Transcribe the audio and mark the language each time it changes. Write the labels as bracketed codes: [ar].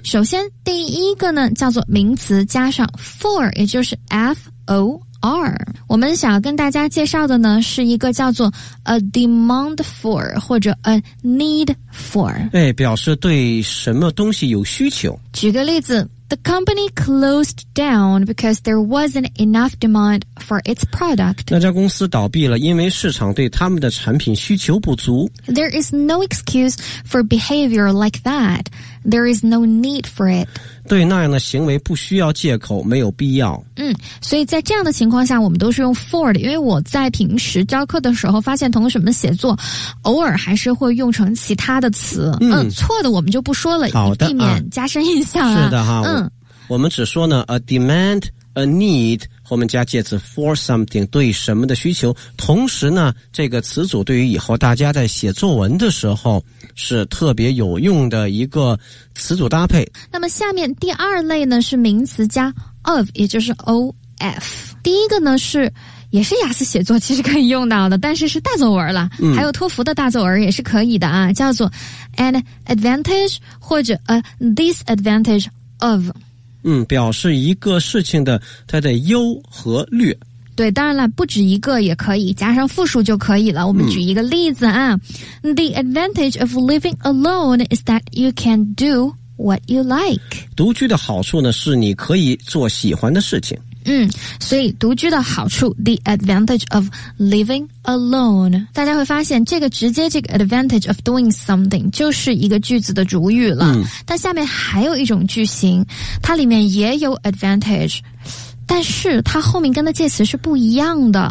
[zh] 首先，第一个呢，叫做名词加上 for， 也就是 for。我们想要跟大家介绍的呢，是一个叫做 [en] a demand for [zh] 或者 [en] a need for。 [zh] 哎，表示对什么东西有需求。举个例子 [en] ，The company closed down because there wasn't enough demand for its product。 [zh] 那家公司倒闭了，因为市场对他们的产品需求不足。 [en] There is no excuse for behavior like that. There is no need for it. [zh] 对那样的行为不需要借口，没有必要。所以在这样的情况下，我们都是用 for 的，因为我在平时教课的时候发现同学们写作偶尔还是会用成其他的词。错的我们就不说了。好的，避免加深印象了。是的哈。我们只说呢 [en] a demand, a need, [zh] 后面加介词 [en] for something [zh] 对什么的需求，同时呢这个词组对于以后大家在写作文的时候是特别有用的一个词组搭配。那么下面第二类呢是名词加 of， 也就是 of。第一个呢是也是雅思写作其实可以用到的，但是是大作文了，还有托福的大作文也是可以的啊，叫做 [en] an advantage [zh] 或者 [en] a disadvantage of。 [zh] 嗯，表示一个事情的它的优和劣。对，当然了，不止一个也可以，加上复数就可以了。我们举一个例子啊，嗯， [en] The advantage of living alone is that you can do what you like. [zh] 独居的好处呢，是你可以做喜欢的事情。嗯，所以独居的好处 [en] The advantage of living alone， [zh] 大家会发现这个直接这个 [en] advantage of doing something [zh] 就是一个句子的主语了，嗯，但下面还有一种句型，它里面也有 advantage， 但是它后面跟的介词是不一样的。